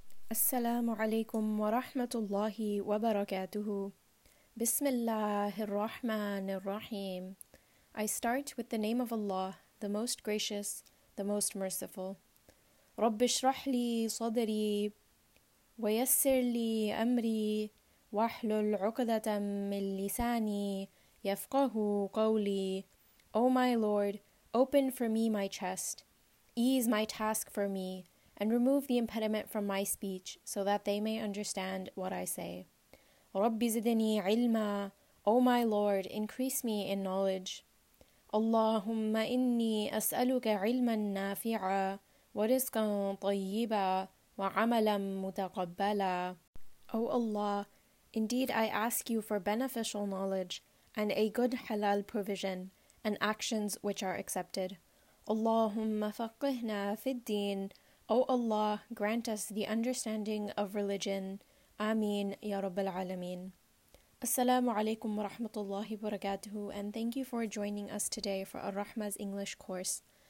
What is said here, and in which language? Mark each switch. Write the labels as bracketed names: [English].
[Arabic] السلام عليكم ورحمة الله وبركاته. بسم الله الرحمن الرحيم. [English] I start with the name of Allah, the most gracious, the most merciful. [Arabic] رب اشرح لي صدري ويسر لي أمري واحلل عقدة من لساني يفقه قولي. [English] O my Lord, open for me my chest, ease my task for me, and remove the impediment from my speech so that they may understand what I say. [Arabic] رب زدني علما. [English] O my Lord, increase me in knowledge. [Arabic] اللهم إني أسألك علما نافعا ورزقا طيبا وعملا متقبلا. [English] O Allah, indeed I ask you for beneficial knowledge and a good halal provision and actions which are accepted. [Arabic] اللهم فقهنا في الدين. [English] O Allah, grant us the understanding of religion. Ameen, Ya Rabbil Alameen. Assalamu alaikum wa rahmatullahi wa barakatuhu, and thank you for joining us today for Ar-Rahma's English course.